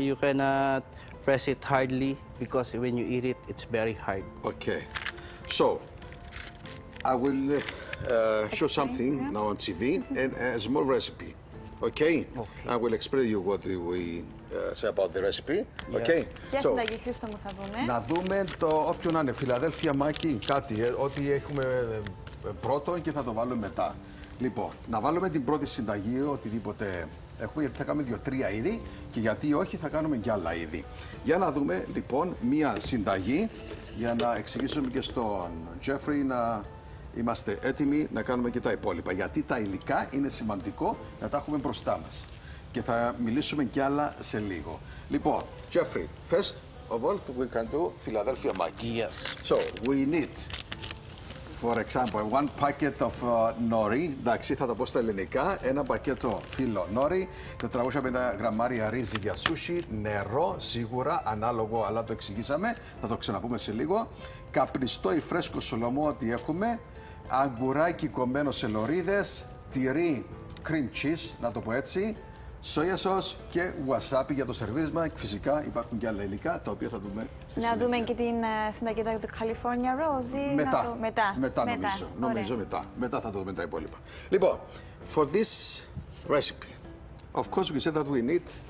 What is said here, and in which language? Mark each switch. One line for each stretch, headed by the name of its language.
English: You cannot press it hardly because when you eat it, it's very hard. Okay. So I will show something now on TV and a small recipe. Okay? Okay. I will explain you what we say about the recipe. Yeah. Okay.
Greek: Για συνταγή, Χρήστο μου, θα δούμε. Να δούμε το όποιο να είναι, Φιλαδέλφια, Μάκη, κάτι, ό,τι έχουμε πρώτο και θα το βάλουμε μετά. Λοιπόν, να βάλουμε την πρώτη συνταγή, οτιδήποτε έχουμε, γιατί θα κάνουμε 2-3 είδη και γιατί όχι, θα κάνουμε κι άλλα είδη. Για να δούμε, λοιπόν, μία συνταγή, για να εξηγήσουμε και στον Τζέφρι να... Είμαστε έτοιμοι να κάνουμε και τα υπόλοιπα, γιατί τα υλικά είναι σημαντικό να τα έχουμε μπροστά μας. Και θα μιλήσουμε κι άλλα σε λίγο. Λοιπόν,
English: Jeffrey, first of all, we can do Philadelphia Mac. Yes. So, we need, for example, one packet of nori.
Greek: Εντάξει, θα το πω στα ελληνικά. Ένα πακέτο φύλλο νori, 450 γραμμάρια ρύζι για σούσι, νερό, σίγουρα, ανάλογο, αλλά το εξηγήσαμε. Θα το ξαναπούμε σε λίγο. Καπνιστό ή φρέσκο σολομό, ό,τι έχουμε. Αγκουράκι κομμένο σε λωρίδες, τυρί, cream cheese, να το πω έτσι. Σόγια σος και wasabi για το σερβίρισμα. Φυσικά υπάρχουν και άλλα υλικά, τα οποία θα δούμε στη συνέχεια. Να δούμε και την συνταγή του California Rose. Μετά. Το... Μετά. Μετά, νομίζω. Ωραία. Νομίζω μετά. Μετά θα το δούμε τα υπόλοιπα. Λοιπόν,
English: for this recipe, of course we said that we need...